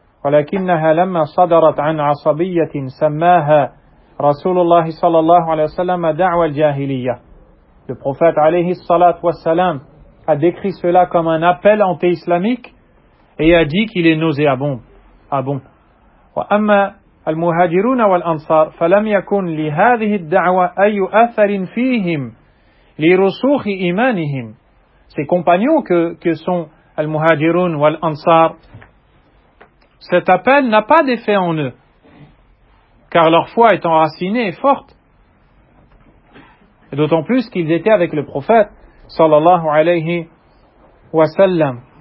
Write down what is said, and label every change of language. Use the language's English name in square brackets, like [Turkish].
[Arabic] ولكنها لما صدرت عن عصبية سماها رسول الله صلى الله عليه وسلم دعوة الجاهلية. [French] Le prophète [Arabic] عليه الصلاة والسلام [French] a décrit cela comme un appel anti-islamique et a dit qu'il est nauséabond. [Arabic] وأما المهاجرون والأنصار فلم يكن لهذه الدعوة أي أثر فيهم لرسوخ إيمانهم. [French] Ses compagnons que sont المهاجرون والأنصار, cet appel n'a pas d'effet en eux, car leur foi est enracinée et forte. Et d'autant plus qu'ils étaient avec le prophète, sallallahu alayhi wa sallam.